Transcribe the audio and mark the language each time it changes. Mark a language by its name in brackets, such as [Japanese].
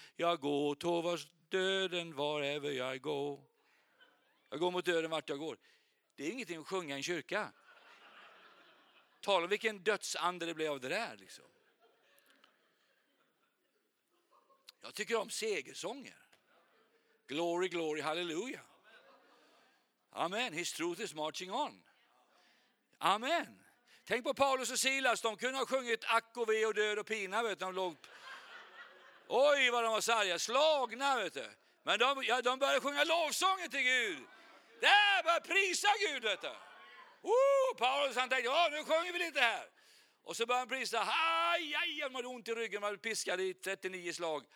[Swedish] Jag går tovars döden varever jag går. Jag går mot döden vart jag går. Det är ingenting att sjunga i en kyrka. Tala om vilken dödsande det blev av det där liksom. Jag tycker om segersånger. [English] Glory, glory, hallelujah. Amen, his truth is marching on. [Swedish] Amen. Tänk på Paulus och Silas, de kunde ha sjungit ack och ve och död och pina, vet du, de låg... Oj vad de var sarga, slagna, vet du. Men de började sjunga lovsånger till Gud. Där började prisa Gud, vet du. Paulus, han tänkte, ja nu sjunger vi lite här. Och så började han prisa, aj, aj, de hade ont i ryggen, man piskade i 39 slag.